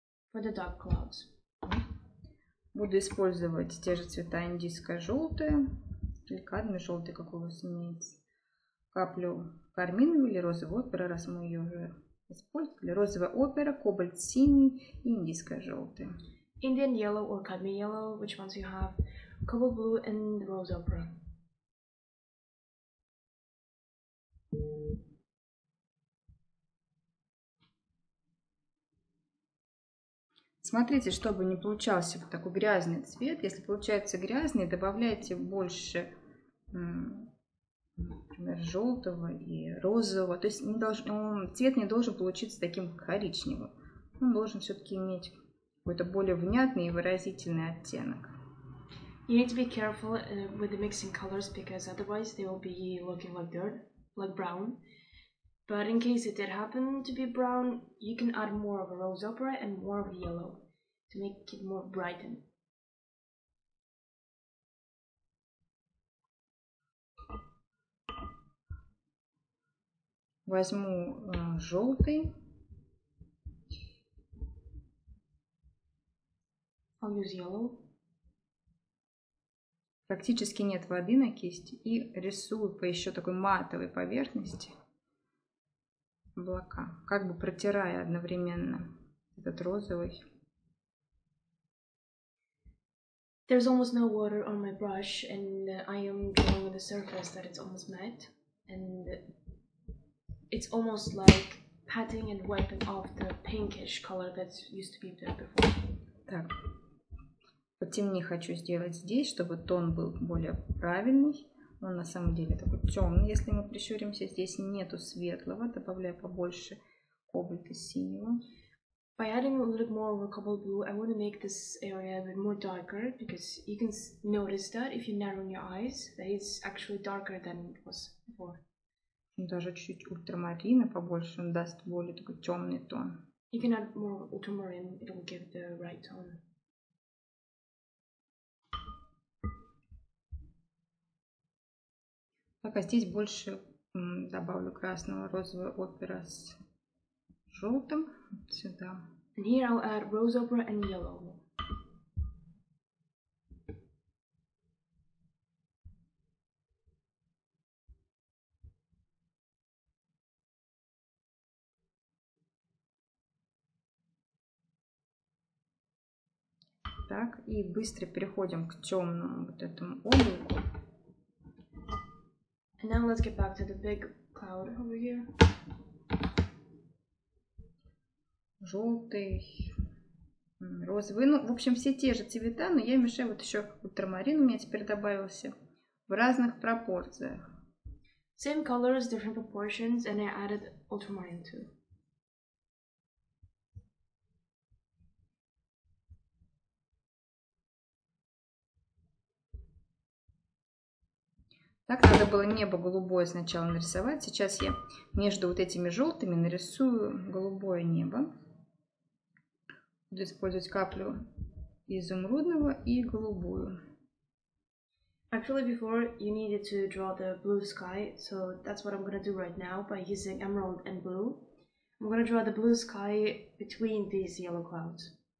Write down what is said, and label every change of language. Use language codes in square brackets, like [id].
[en] For the dark clouds. [ru] Буду использовать те же цвета индийско-желтые. Или кадмий желтый, какой у вас имеется. Каплю карминовый или розовый опера, раз мы ее уже использовали. Розовая опера, кобальт синий и индийско-желтый. [en] Indian yellow or cadmium yellow, which ones you have. Cobalt blue and rose opera. [ru] Смотрите, чтобы не получался такой грязный цвет. Если получается грязный, добавляйте больше, например, желтого и розового. То есть цвет не должен получиться таким коричневым. Он должен все-таки иметь какой-то более внятный и выразительный оттенок. [en] You need to be careful with the mixing colors, because otherwise they will be looking like dirt, like brown. But in case it did happen to be brown, you can add more of a rose opera and more of a yellow to make it more brightened. [ru] Возьму желтый. [en] I'll use yellow. [ru] Практически нет воды на кисти и рисую по еще такой матовой поверхности. Облака, как бы протирая одновременно этот розовый. [en] There's almost no water on my brush, and I am drawing with a surface that it's almost matte, and it's almost like patting and wiping off the pinkish color that used to be there before. [ru] Так, потемнее хочу сделать здесь, чтобы тон был более правильный. Он на самом деле такой темный, если мы прищуримся. Здесь нету светлого. Добавляю побольше кобальта синего. [en] By adding a little more of a cobalt blue, I want to make this area a bit more darker, because you can notice that if you narrow your eyes, that it's actually darker than it was before. [ru] Даже чуть ультрамарина побольше, он даст более такой темный тон. [en] You can add more ultramarine, it'll give the right tone. [ru] Так, а здесь больше добавлю красного, розовый опера с желтым сюда. [en] And here I'll add rose opera and yellow. [ru] Так, и быстро переходим к темному вот этому облаку. [en] And now let's get back to the big cloud over here. [ru] Желтый, розовый. Ну, в общем, все те же цвета, но я мешаю вот еще ультрамарин у меня теперь добавился в разных пропорциях. [en] Same colors, different proportions, and I added ultramarine too. [ru] Так, надо было небо голубое сначала нарисовать. Сейчас я между вот этими желтыми нарисую голубое небо. Буду использовать каплю изумрудного и голубую. [en] Actually, before you needed to draw the blue sky, so that's what I'm going to do right now by using emerald and blue. I'm going to draw the blue sky between these yellow clouds.